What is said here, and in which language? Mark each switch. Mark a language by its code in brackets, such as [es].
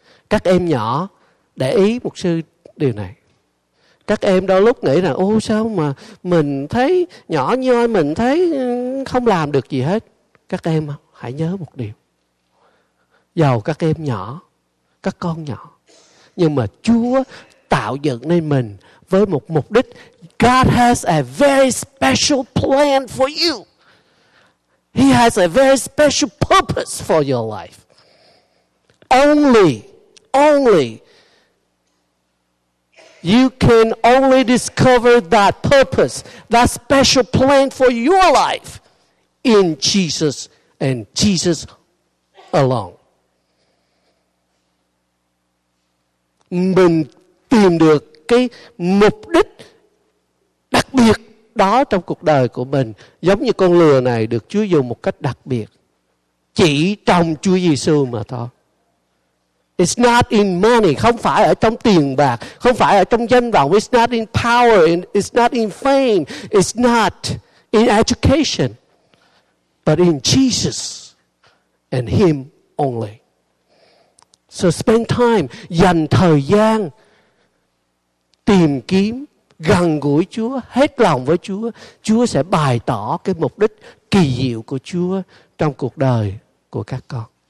[vi] Các em nhỏ, để ý mục sư điều này. Các em đôi lúc nghĩ rằng, ô sao mà mình thấy nhỏ nhoi, mình thấy không làm được gì hết. Các em hãy nhớ một điều. Dầu các em nhỏ, các con nhỏ, nhưng mà Chúa tạo dựng nên mình với một mục đích. [en] God has a very special plan for you. He has a very special purpose for your life. Only you can only discover that purpose, that special plan for your life in Jesus and Jesus alone. [vi] Mình tìm được cái mục đích đặc biệt đó trong cuộc đời của mình, giống như con lừa này được Chúa dùng một cách đặc biệt, chỉ trong Chúa Giêsu mà thôi. It's not in money, không phải ở trong tiền bạc, không phải ở trong danh vọng. [en] It's not in power, it's not in fame, it's not in education, but in Jesus and Him only. [vi] So spend time, dành thời gian tìm kiếm, gần gũi Chúa, hết lòng với Chúa. Chúa sẽ bày tỏ cái mục đích kỳ diệu của Chúa trong cuộc đời của các con.